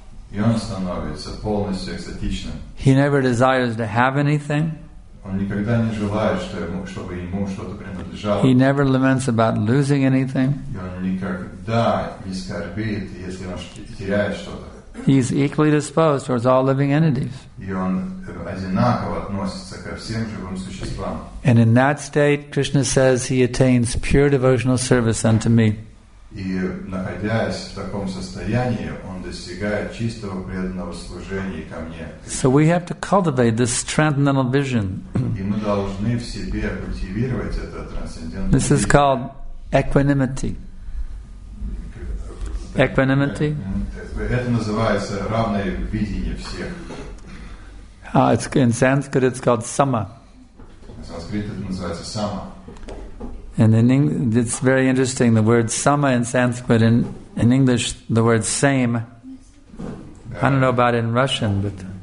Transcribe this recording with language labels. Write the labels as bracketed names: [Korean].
[Russian] И он становится полностью экстатичным. [English] He never desires to have anything. [Russian] Он никогда не желает, чтобы ему что-то принадлежало. [English] He never laments about losing anything. [Russian] И он никогда не скорбит, если он теряет что-то. [English] He's equally disposed towards all living entities. [Russian] И он одинаково относится ко всем живым существам. [English] And in that state, Krishna says, he attains pure devotional service unto me. [Russian] И находясь в таком состоянии, он достигает чистого преданного служения ко мне. [English] So we have to cultivate this transcendental vision. [Russian] И мы должны в себе культивировать это трансцендентное. [English] This is called equanimity. Equanimity. [Russian] Это называется равное видение всех. [English] In Sanskrit it's called sama. [Russian] В санскрите это называется сама. [English] And in English, it's very interesting, the word sama in Sanskrit, in English, the word same. I don't know about it in Russian, but...